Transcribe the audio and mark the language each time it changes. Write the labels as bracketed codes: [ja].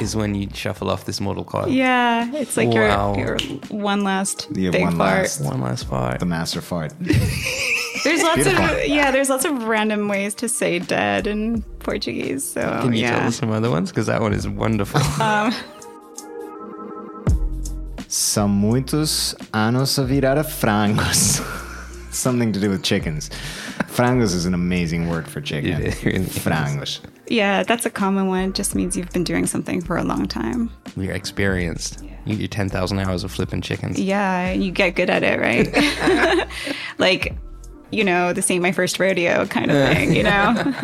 [en] Is when you shuffle off this mortal coil. Yeah. It's like your one last fart. One last fart. The master fart. There's lots of random ways to say dead in Portuguese. So can you tell us some other ones? Because that one is wonderful. [pt] São muitos anos a virar a frangos. [en] Something to do with chickens. Frangos is an amazing word for chicken. Frangos. Yeah, that's a common one. It just means you've been doing something for a long time. You're experienced. Yeah. You're 10,000 hours of flipping chickens. Yeah, you get good at it, right? Like, you know, this ain't my first rodeo kind of thing, you know?